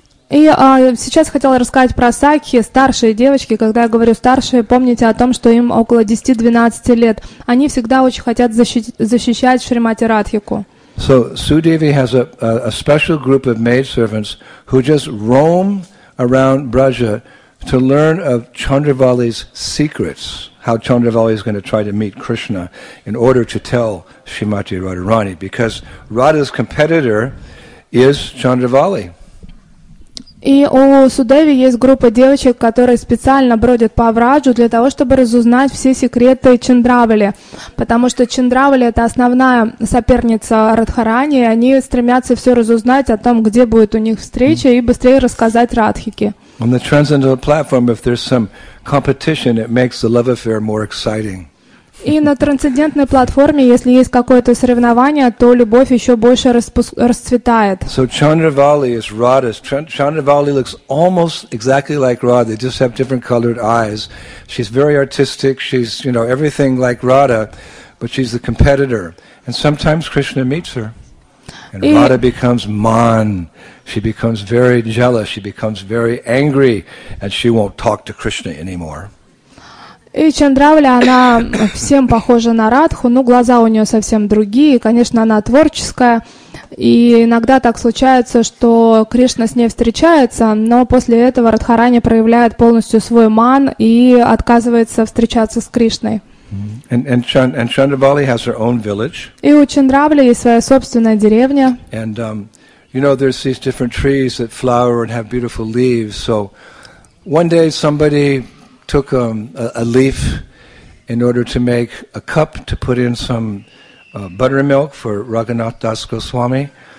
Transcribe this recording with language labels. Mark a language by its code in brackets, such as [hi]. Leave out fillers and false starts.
[ru] И сейчас хотела рассказать про сакхи, старшие девочки. Когда я говорю старшие, помните о том, что им около 10-12 лет. Они всегда очень хотят защищать Шримати Радхику. [en] So Sudevi has a special group of maidservants who just roam around Braja to learn of Chandravali's secrets, how Chandravali is going to try to meet Krishna in order to tell Srimati Radharani, because Radha's competitor is Chandravali. [ru] И у Судеви есть группа девочек, которые специально бродят по Враджу для того, чтобы разузнать все секреты Чандравали. Потому что Чандравали — это основная соперница Радхарани, и они стремятся все разузнать о том, где будет у них встреча, и быстрее рассказать Радхике. [en] On the transcendental platform, if there's some competition, it makes the love affair more exciting. [ru] И на трансцендентной платформе, если есть какое-то соревнование, то любовь еще больше расцветает. [en] So Chandravali is Radha's. Chandravali looks almost exactly like Radha. They just have different colored eyes. She's very artistic. She's, you know, everything like Radha, but she's the competitor. And sometimes Krishna meets her, and Radha becomes mon. She becomes very jealous. She becomes very angry, and she won't talk to Krishna anymore. [ru] И Чандравали, она всем похожа на Радху, но глаза у нее совсем другие. Конечно, она творческая, и иногда так случается, что Кришна с ней встречается, но после этого Радхарани проявляет полностью свой ман и отказывается встречаться с Кришной. [en] And Chandravali has her own village. [ru] И у Чандравали есть своя собственная деревня. [en] And you know, there's these different trees that flower and have beautiful leaves. So one day somebody took a leaf in order to make a cup to put in some buttermilk for Raghunath Das Goswami.